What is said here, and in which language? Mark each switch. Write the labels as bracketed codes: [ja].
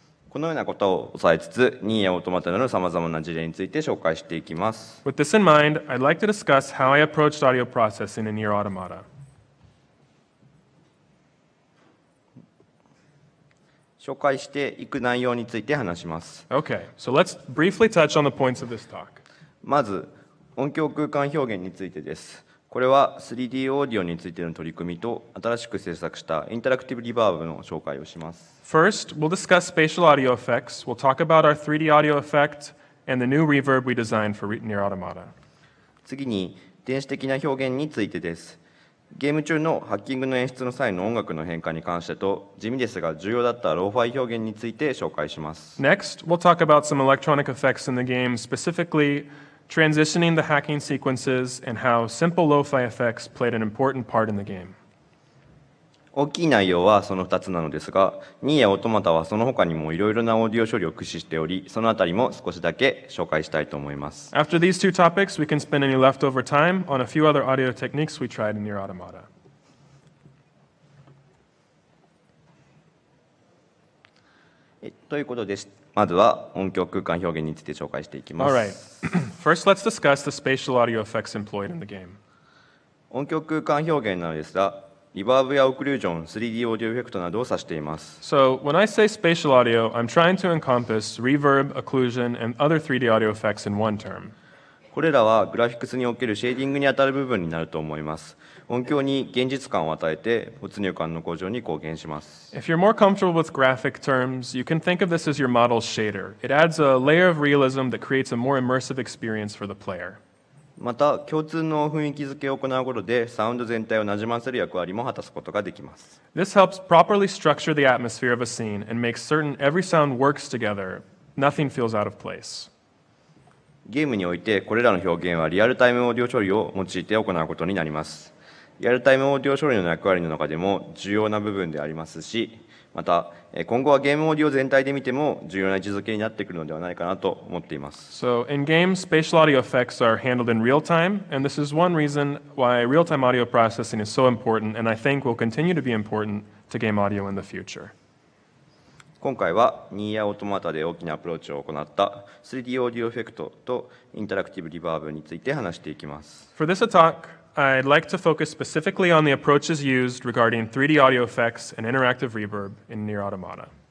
[ja] このようなことを押さえつつ、ニーヤオートマタのさまざまな事例について紹介していきます。 [en] With this in mind, I'd like to discuss how I approached audio processing in Near Automata. [ja] 紹介していく内容について話します。 [en] Okay, so let's briefly touch on the points of this talk. [ja] まず、音響空間表現についてです。これは 3D オーディオについての取り組みと、新しく制作したインタラクティブリバーブの紹介をします。 [en] First, we'll discuss spatial audio effects. We'll talk about our 3D audio effect and the new reverb we designed for Near Automata. [ja] 次に、電子的な表現についてです。ゲーム中のハッキングの演出の際の音楽の変化に関してと、地味ですが重要だったローファイ表現について紹介します。 [en] Next, we'll talk about some electronic effects in the game, specifically transitioning the hacking sequences and how simple lo-fi effects played an important part in the game. [ja] 大きい内容はその2つなのですが、ニーヤオートマタはその他にもいろいろなオーディオ処理を駆使しており、そのあたりも少しだけ紹介したいと思います。 [en] After these two topics, we can spend any leftover time on a few other audio techniques we tried in Nier Automata. [ja] ということで、まずは音響空間表現について紹介していきます。 [en] All right. First, let's discuss the spatial audio effects employed in the game. [ja] 音響空間表現なのですが、リバーブやオクルージョン、3D オーディオエフェクトなどを指しています。 [en] So, when I say spatial audio, I'm trying to encompass reverb, occlusion, and other 3D audio effects in one term. [ja] これらはグラフィックスにおけるシェーディングに当たる部分になると思います。音響に現実感を与えて、没入感の向上に貢献します。 [en] If you're more comfortable with graphic terms, you can think of this as your model's shader. It adds a layer of realism that creates a more immersive experience for the player. [ja] また共通の雰囲気づけを行うことでサウンド全体をなじませる役割も果たすことができます。 [en] This helps properly structure the atmosphere of a scene and makes certain every sound works together. Nothing feels out of place. [ja] ゲームにおいてこれらの表現はリアルタイムオーディオ処理を用いて行うことになります。リアルタイムオーディオ処理の役割の中でも重要な部分でありますし、また今後はゲームオーディオ全体で見ても重要な位置づけになってくるのではないかなと思っています。 [en] So in game, spatial audio effects are handled in real time, and this is one reason why real time audio processing is so important and I think will continue to be important to game audio in the future. [ja] 今回はニーヤオートマタで大きなアプローチを行った 3D オーディオエフェクトとインタラクティブリバーブについて話していきます。 [en] For this talk,I'd like to focus specifically on the approaches used regarding 3D audio effects and interactive reverb in Nier Automata.